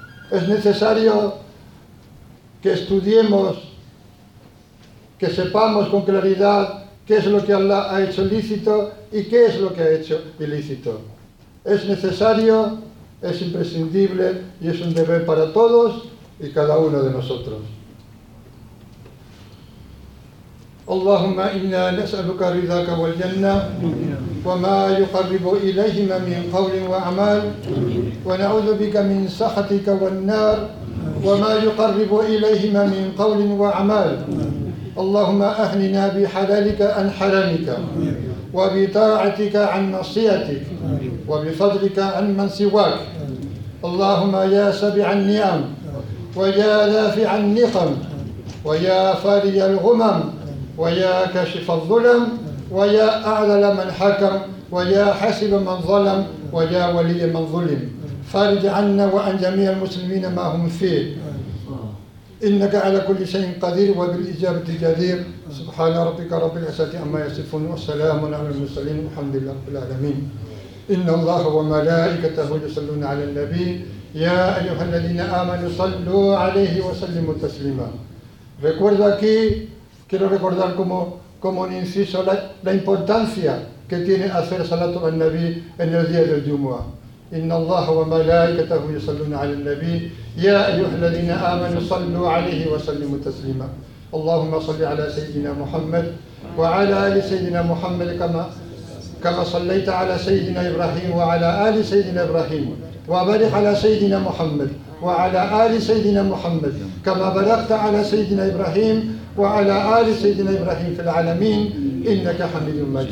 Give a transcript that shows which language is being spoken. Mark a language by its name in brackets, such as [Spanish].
[Spanish] Es necesario que estudiemos, que sepamos con claridad qué es lo que Allah ha hecho lícito y qué es lo que ha hecho ilícito. Es necesario, es imprescindible y es un deber para todos y cada uno de nosotros. [Arabic] اللهم إنا نسألك رضاك والجنة وما يقرب إليهما من قول وأعمال ونعوذ بك من سخطك والنار وما يقرب إليهما من قول وأعمال اللهم أهلنا بحلالك عن حرامك وبطاعتك عن معصيتك وبفضلك عن من سواك. اللهم يا سبع النعم ويا دافع النقم ويا فاري الغمم ويا كاشف الظلم ويا أعدل من حكم ويا حسب من ظلم ويا ولي من ظلم، فارج عنا وعن جميع المسلمين ما هم فيه، إنك على كل شيء قدير وبالإجابة جدير. سبحان ربك رب العزة عما يصفون والسلام على المرسلين والحمد لله رب العالمين. إن الله وملائكته يصلون على النبي يا أيها الذين آمنوا صلوا عليه وسلموا تسليما. [Spanish] Recuerdo aquí, quiero recordar como un inciso la importancia que tiene hacer salatu al Nabi en el día del Jumu'ah. [Arabic] إن الله وملائكته يصلون على النبي يا أيها الذين آمنوا صلوا عليه وسلموا تسليما. اللهم صل على سيدنا محمد وعلى آل سيدنا محمد كما صليت على سيدنا إبراهيم وعلى آل سيدنا إبراهيم، وبارك على سيدنا محمد وعلى آل سيدنا محمد كما باركت على سيدنا إبراهيم وعلى آل سيدنا إبراهيم في العالمين، إنك حميد مجيد.